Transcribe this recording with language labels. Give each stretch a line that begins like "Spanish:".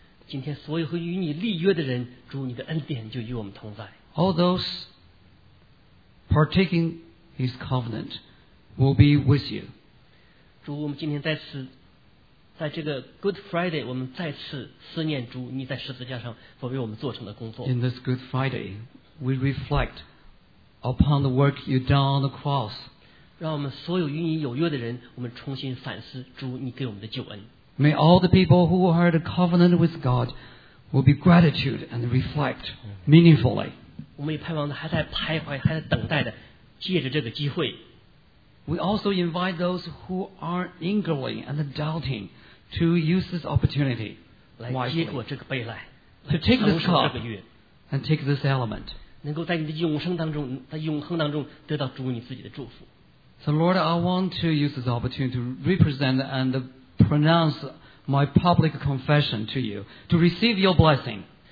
Chinese: 今天所有和与你立约的人，主你的恩典就与我们同在。
English: All those partaking His covenant will be with you.
Chinese: 主，我们今天在此。在这个 Good Friday, 我们再次思念主你在十字架上所为我们做成的工作。
English: In this Good Friday, we reflect upon the work you've done on the cross.
Chinese: 让我们所有与你有约的人，我们重新反思主你给我们的救恩。
English: May all the people who are in a covenant with God will be gratitude and reflect meaningfully.
Chinese: 我们也盼望的还在徘徊，还在等待的，借着这个机会。
English: We also invite those who are angry and doubting to use this opportunity wisely, to take this cup and take this element. So Lord, I want to use this opportunity to represent and pronounce my public confession to you, to receive your blessing.